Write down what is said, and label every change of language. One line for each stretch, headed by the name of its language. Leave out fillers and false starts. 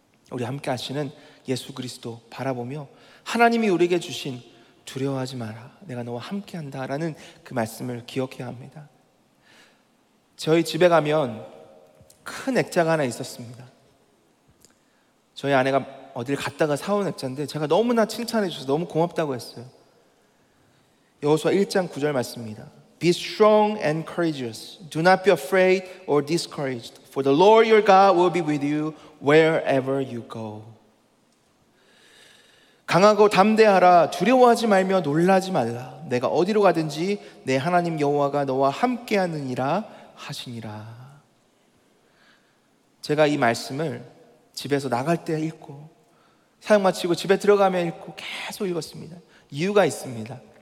Korean: 우리 함께 하시는 예수 그리스도 바라보며 하나님이 우리에게 주신 두려워하지 마라, 내가 너와 함께한다 라는 그 말씀을 기억해야 합니다. 저희 집에 가면 큰 액자가 하나 있었습니다. 저희 아내가 어딜 갔다가 사온 액자인데 제가 너무나 칭찬해 주셔서 너무 고맙다고 했어요. 여호수아 1장 9절 말씀입니다.
English: Be strong and courageous. Do not be afraid or discouraged. For the Lord your God will be with you wherever you go.
Korean: 강하고 담대하라. 두려워하지 말며 놀라지 말라. 내가 어디로 가든지 내 하나님 여호와가 너와 함께하느니라 하시니라. 제가 이 말씀을 집에서 나갈 때 읽고 사역 마치고 집에 들어가면 읽고 계속 읽었습니다. 이유가 있습니다.